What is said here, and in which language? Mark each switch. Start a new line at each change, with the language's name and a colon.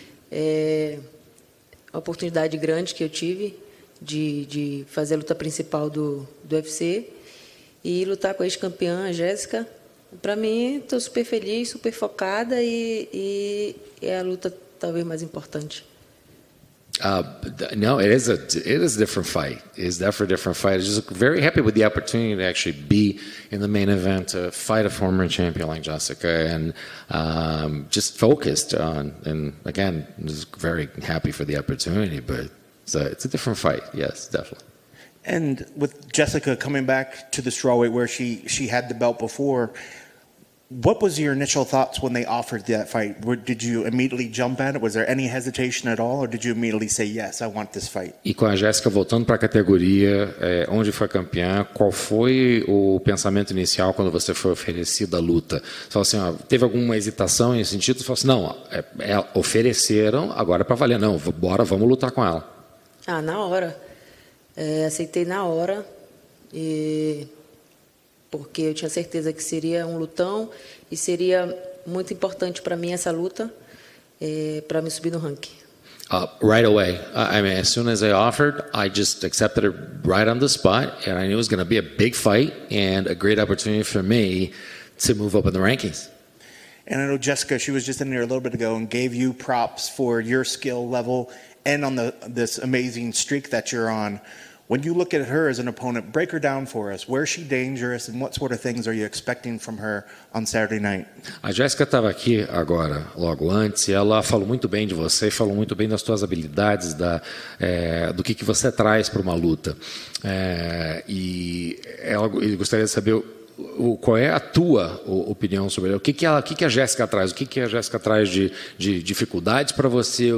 Portuguese: É uma oportunidade grande que eu tive de fazer a luta principal do UFC e lutar com a ex-campeã, a Jéssica. Para mim, estou super feliz, super focada e é a luta talvez mais importante.
English: No, it is a different fight. It's definitely a different fight. I'm just very happy with the opportunity to actually be in the main event to fight a former champion like Jessica, and just focused on. And again, just very happy for the opportunity. But it's a different fight. Yes, definitely. And with Jessica coming back to the strawweight where she had the belt before, what was your initial thoughts when they offered that fight? Did you immediately jump at it? Was there any hesitation at all? Or did you immediately say, yes, I want this fight?
Portuguese: E com a Jéssica voltando para a categoria, onde foi campeã, qual foi o pensamento inicial quando você foi oferecida a luta? Você falou assim, ó, teve alguma hesitação nesse sentido? Você falou assim, não, ofereceram, agora é para valer. Não, bora, vamos lutar com ela. Ah, na hora. Aceitei na hora e... porque eu tinha certeza que seria um lutão e seria muito importante para mim essa luta, para me subir no ranking.
English: Right away. I mean, as soon as they offered, I just accepted it right on the spot, and I knew it was going to be a big fight and a great opportunity for me to move up in the rankings. And I know Jessica, she was just in there a little bit ago and gave you props for your skill level and on this amazing streak that you're on. When you look at her as an opponent, break her down for us. Where is she dangerous and what sort of things are you expecting from her on Saturday night?
Portuguese: A Jéssica estava aqui agora, logo antes, e ela falou muito bem de você, falou muito bem das suas habilidades, do que você traz para uma luta. E gostaria de saber qual é a tua opinião sobre ela. O que a Jéssica traz? O que, que a Jéssica traz de dificuldades para você?